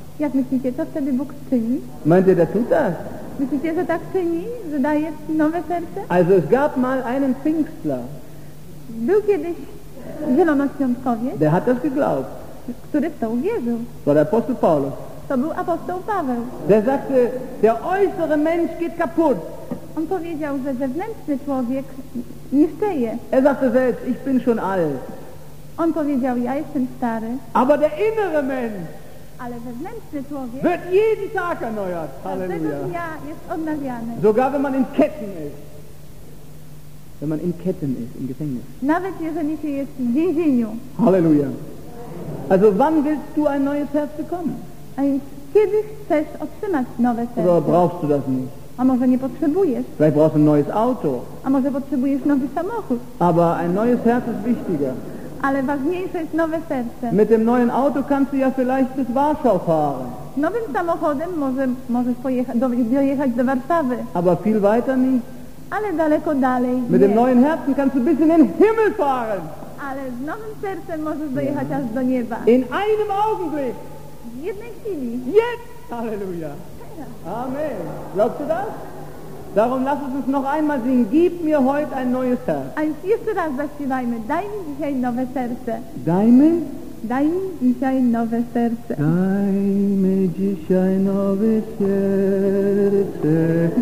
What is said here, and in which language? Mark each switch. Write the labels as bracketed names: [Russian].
[Polish] Jak myślicie, co wtedy Bóg czyni? [German] Meint ihr, der tut das? [Polish] Myślicie, że tak czyni, że daje nowe serce? [German] Also es gab mal einen Pfingstler. [Polish] Był kiedyś zielonoświątkowiec. [German] Der hat das geglaubt. [Polish] Który w to uwierzył. [German] To der Apostel Paulus. [Polish] To był Apostoł Paweł. [German] Der sagte, der äußere Mensch geht kaputt. [Polish] On powiedział, że zewnętrzny człowiek niszczeje. [German] Er sagte selbst, ich bin schon alt. [Polish] On powiedział, ja jestem stary. [German] Aber der innere Mensch, [Polish] ale zewnętrzny człowiek, [German] wird jeden Tag erneuert. Halleluja. [Polish] Ja, jest odnawiany. [German] Sogar wenn man in Ketten ist. Wenn man in Ketten ist, im Gefängnis. [Polish] Nawet jeżeli się jest w więzieniu. Halleluja. [German] Also wann willst du ein neues Herz bekommen? [Polish] A więc kiedy chcesz otrzymać nowe serce? [German] Oder brauchst du das nicht? [Polish] A może nie potrzebujesz? [German] Vielleicht brauchst du ein neues Auto. [Polish] A może potrzebujesz nowy samochód? [German] Aber ein neues Herz ist wichtiger. [Polish] Ale ważniejsze jest nowe serce. [German] Mit dem neuen Auto kannst du ja vielleicht bis Warschau fahren. [Polish] Nowym samochodem możesz dojechać do Warszawy. [German] Aber viel weiter nicht. [Polish] Ale daleko dalej. [German] Mit dem neuen Herzen kannst du bis in den Himmel fahren. [Polish] Ale z nowym sercem możesz dojechać aż do nieba. [German] In einem Augenblick. [Polish] W jednej chwili. [German] Jetzt! Halleluja! Amen. Glaubst du das? Darum lass es uns noch einmal singen. Gib mir heute ein neues Herz. [Polish] Ein jeszcze raz zaśpiewajmy. Daj mi dzisiaj nowe serce. Dajmy? Daj mi dzisiaj nowe serce. Dajmy dzisiaj nowe serce.